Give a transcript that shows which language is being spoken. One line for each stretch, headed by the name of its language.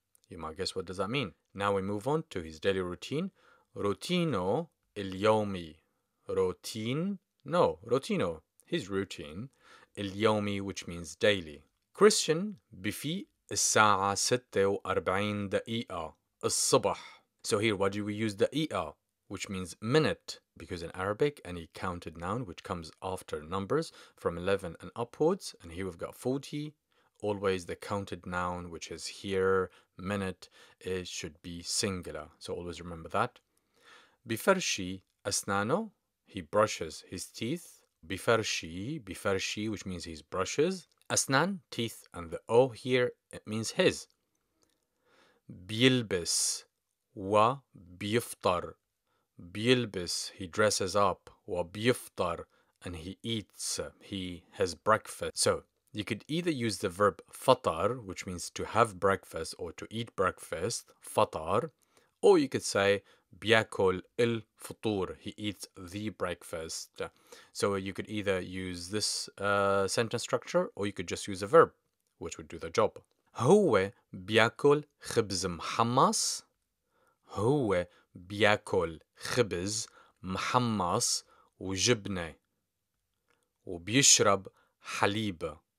English: You might guess what does that mean. Now we move on to his daily routine.
Arabic: روتينو اليومي. روتينو,
English: his routine.
Arabic: اليومي,
English: which means daily.
Arabic: Christian بفي الساعة 46 دقيقة الصبح.
English: So here, why do we use the ER, which means minute? Because in Arabic, any counted noun which comes after numbers from 11 and upwards, and here we've got 40, always the counted noun, which is here, minute, it should be singular. So always remember that.
Arabic: بفرشي أسنانه,
English: he brushes his teeth.
Arabic: بفرشي,
English: which means his brushes.
Arabic: أسنان,
English: teeth, and the O here, it means his.
Arabic: بيلبس. وبيفطر. بيلبس,
English: he dresses up.
Arabic: وبيفطر,
English: and he eats, he has breakfast. So you could either use the verb
Arabic: فطر,
English: which means to have breakfast or to eat breakfast, فطر, or you could say
Arabic: بيأكل الفطور,
English: he eats the breakfast. So you could either use this sentence structure, or you could just use a verb, which would do the job.
Arabic: هو بيأكل خبز محمص. هو بياكل خبز محمص وجبنة وبيشرب حليب.